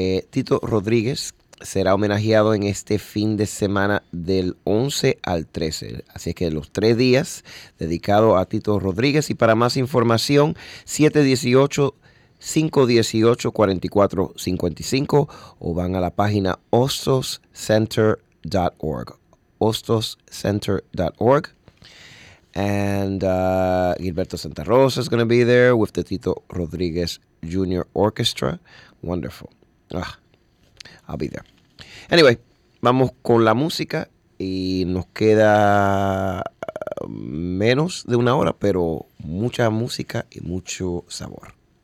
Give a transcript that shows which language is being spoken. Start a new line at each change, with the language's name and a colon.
Spanish: Tito Rodríguez será homenajeado en este fin de semana del 11 al 13. Así es que los tres días dedicados a Tito Rodríguez. Y para más información, 718-518-4455 o van a la página ostoscenter.org. ostoscenter.org.
English: And Gilberto Santa Rosa is going to be there with the Tito Rodríguez Jr. Orchestra. Wonderful. Ah, I'll be there. Anyway,
Spanish: vamos con la música y nos queda menos de una hora, pero mucha música y mucho sabor.